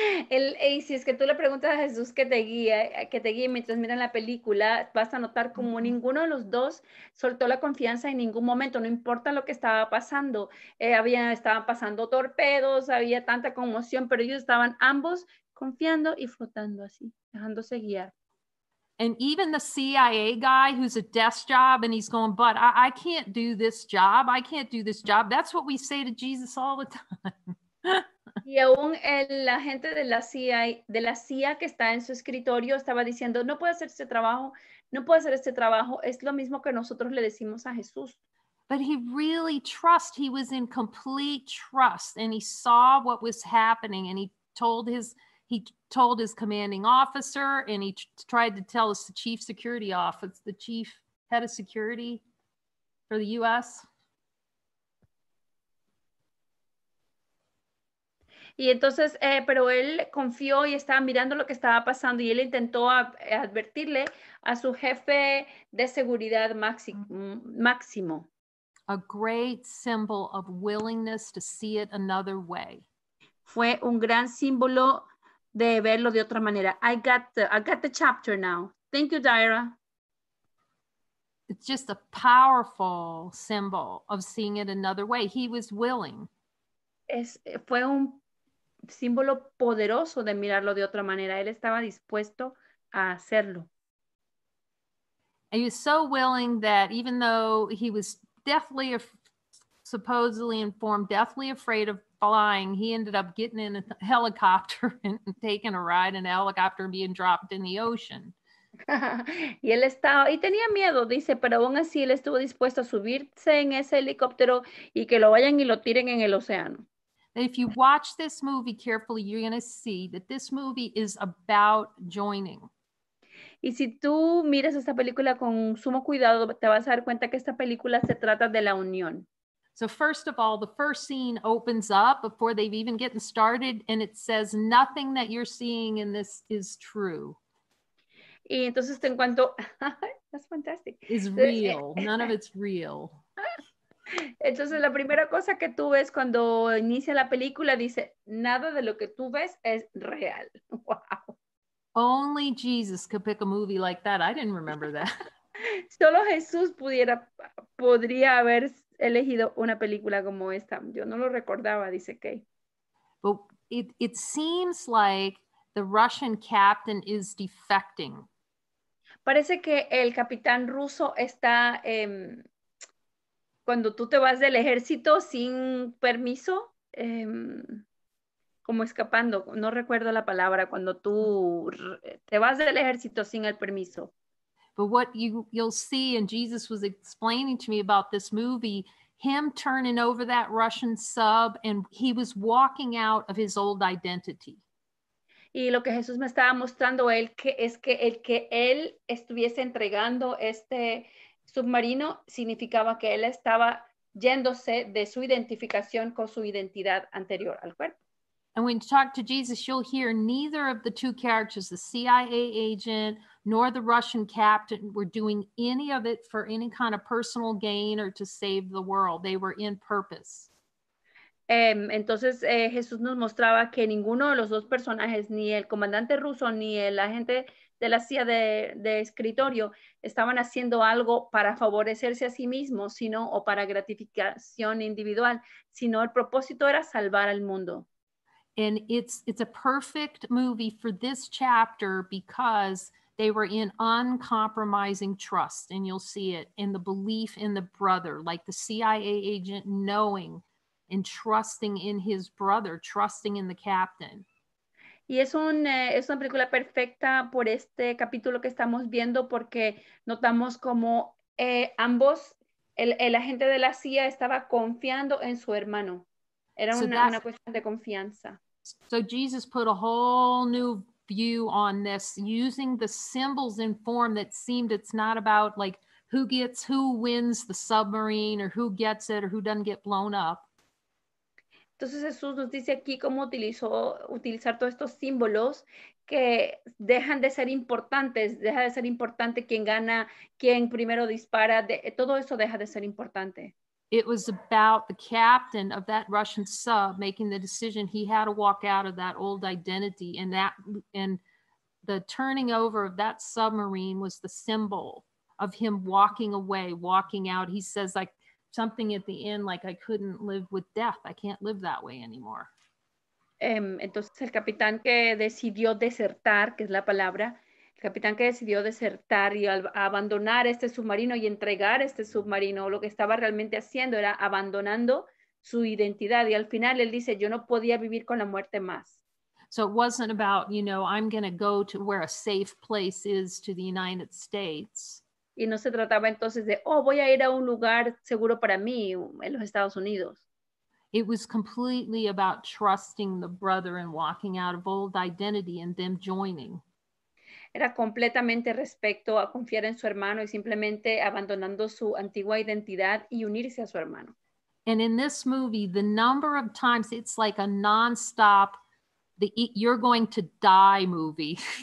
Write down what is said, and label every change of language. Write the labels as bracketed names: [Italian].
[Spanish] Y si es que tú le preguntas a Jesús que te guíe mientras miran la película, vas a notar como ninguno de los dos soltó la confianza en ningún momento, no importa lo que estaba pasando. Estaban pasando torpedos, había tanta conmoción, pero ellos estaban ambos confiando y flotando así, dejándose guiar. [English] And even the CIA guy who's a desk job and he's going, but I can't do this job, I can't do this job. That's what we say to Jesus all the time. [Spanish] Y aún el agente de la CIA que está en su escritorio estaba diciendo, no puedo hacer este trabajo, no puedo hacer este trabajo. Es lo mismo que nosotros le decimos a Jesús. [English] But he really trusted, he was in complete trust and he saw what was happening and he told his commanding officer and he tried to tell us the chief security office, the chief head of security for the U.S., [Spanish] y entonces, pero él confió y estaba mirando lo que estaba pasando y él intentó advertirle a su jefe de seguridad máximo. [English] A great symbol of willingness to see it another way. [Spanish] Fue un gran símbolo de verlo de otra manera. [English] I got the chapter now. Thank you, Daira. It's just a powerful symbol of seeing it another way. He was willing. [Spanish] Fue un símbolo poderoso de mirarlo de otra manera. Él estaba dispuesto a hacerlo. [English] He was so willing that even though he was deathly, supposedly informed, deathly afraid of flying, he ended up getting in a helicopter and taking a ride in a helicopter and being dropped in the ocean. [Spanish] Y él estaba, y tenía miedo, dice, pero aún así él estuvo dispuesto a subirse en ese helicóptero y que lo vayan y lo tiren en el océano. [English] If you watch this movie carefully, you're going to see that this movie is about joining. [Spanish] Y si tú miras esta película con sumo cuidado, te vas a dar cuenta que esta película se trata de la unión. [English] So first of all, the first scene opens up before they've even gotten started, and it says nothing that you're seeing in this is true. [Spanish] Y entonces te encuentro, [English] that's fantastic. Is real, none of it's real. [Spanish] Entonces la primera cosa que tú ves cuando inicia la película dice, nada de lo que tú ves es real. [English] Wow. Only Jesus could pick a movie like that. I didn't remember that. [Spanish] Solo Jesús podría haber elegido una película como esta. Yo no lo recordaba, dice Kay. [English] But it seems like the Russian captain is defecting. [Spanish] Parece que el capitán ruso está, cuando tú te vas del ejército sin permiso, como escapando, no recuerdo la palabra, cuando tú te vas del ejército sin el permiso. [English] But what you'll see, and Jesus was explaining to me about this movie, him turning over that Russian sub, and he was walking out of his old identity. [Spanish] Y lo que Jesús me estaba mostrando él que es que el que él estuviese entregando este submarino significaba que él estaba yéndose de su identificación con su identidad anterior al cuerpo. [English] And when you talk to Jesus, you'll hear neither of the two characters, the CIA agent nor the Russian captain, were doing any of it for any kind of personal gain or to save the world. They were in purpose. [Spanish] Entonces Jesús nos mostraba que ninguno de los dos personajes, ni el comandante ruso ni el agente de la CIA de escritorio, estaban haciendo algo para favorecerse a sí mismos, sino o para gratificación individual, sino el propósito era salvar al mundo. [English] And it's a perfect movie for this chapter because they were in uncompromising trust, and you'll see it in the belief in the brother, like the CIA agent knowing and trusting in his brother, trusting in the captain. [Spanish] Y es una película perfecta por este capítulo que estamos viendo porque notamos como ambos, el agente de la CIA estaba confiando en su hermano. Era una cuestión de confianza. [English] So Jesus put a whole new view on this, using the symbols in form that seemed it's not about like who wins the submarine or who gets it or who doesn't get blown up. [Spanish] Entonces Jesús nos dice aquí cómo utilizar todos estos símbolos que dejan de ser importantes, deja de ser importante quién gana, quién primero dispara, todo eso deja de ser importante. [English] It was about the captain of that Russian sub making the decision he had to walk out of that old identity, and the turning over of that submarine was the symbol of him walking away, walking out. He says like something at the end, like, I couldn't live with death. I can't live that way anymore. [Spanish] Entonces el capitán que decidió desertar, que es la palabra, el capitán que decidió desertar y abandonar este submarino y entregar este submarino, lo que estaba realmente haciendo era abandonando su identidad. Y al final él dice, yo no podía vivir con la muerte más. [English] So it wasn't about, you know, I'm going to go to where a safe place is to the United States. [Spanish] Y no se trataba entonces de, oh, voy a ir a un lugar seguro para mí en los Estados Unidos. [English] It was completely about trusting the brother and walking out of old identity and them joining. [Spanish] Era completamente respecto a confiar en su hermano y simplemente abandonando su antigua identidad y unirse a su hermano. [English] And in this movie, the number of times it's like a non-stop, you're going to die movie.